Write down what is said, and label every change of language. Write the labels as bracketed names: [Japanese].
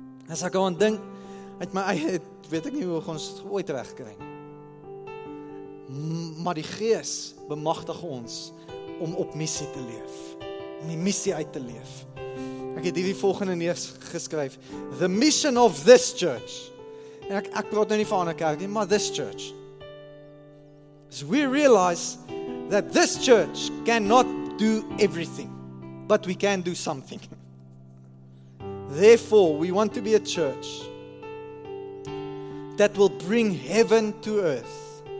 [Afrikaans] As ek aan dink, uit my eie, weet ek nie hoe ons ooit wegkry. Maar die Gees bemagtig ons om op missie te leef. Om die missie uit te leef. Ek het hierdie volgende neergeskryf. [English] The mission of this church. [Afrikaans] En ek praat nou nie van 'n ander kerk nie, maar [English] this church. As we realize that this church cannot do everything, but we can do something. Therefore, we want to be a church that will bring heaven to earth.